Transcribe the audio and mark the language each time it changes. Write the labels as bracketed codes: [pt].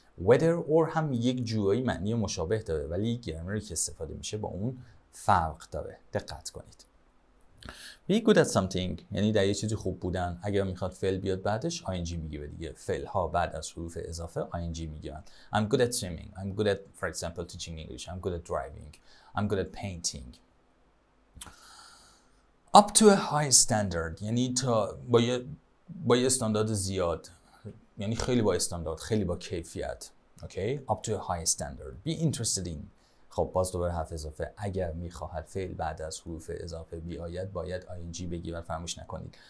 [en] Whether or [fa] هم یک جورایی معنی مشابه داره، ولی گرامری که استفاده میشه با اون فرق داره. دقت کنید. [en] Be good at something [fa] یعنی در یه چیزی خوب بودن. اگر میخواد فعل بیاد بعدش ing میگیره دیگه، فعل ها بعد از حروف اضافه ing میگیرن. [en] I'm good at swimming، I'm good at for example teaching English، I'm good at driving، I'm good at painting. Up to a high standard [fa] یعنی تا با یه استاندارد زیاد، یعنی خیلی با استاندارد، خیلی با کیفیت. [en] Okay، up to a high standard. Be interested in، [fa] خب باز دوباره حرف اضافه، اگر میخواهد فعل بعد از حروف اضافه بیاید باید ing بگیر و فراموش نکنید.